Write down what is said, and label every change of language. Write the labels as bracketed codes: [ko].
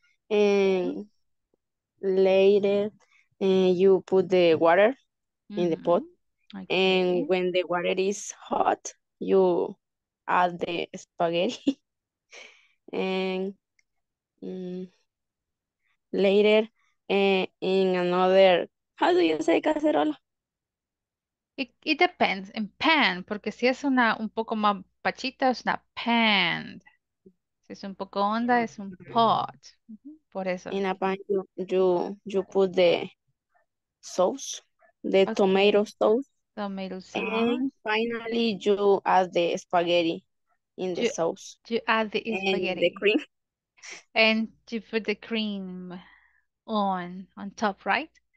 [en] And later you put the water in the pot. Okay. And when the water is hot, you add the spaghetti. And later in another, how do you say cacerola? It depends, in pan, [es] porque si es una un poco más pachita, es una pan. Si es un poco honda, es un pot. Por eso. [en] In a pan, you put the sauce, the okay. Tomato sauce. Tomato sauce. And finally, you add the spaghetti in the sauce. You add the spaghetti. And the cream. And you put the cream on top, right?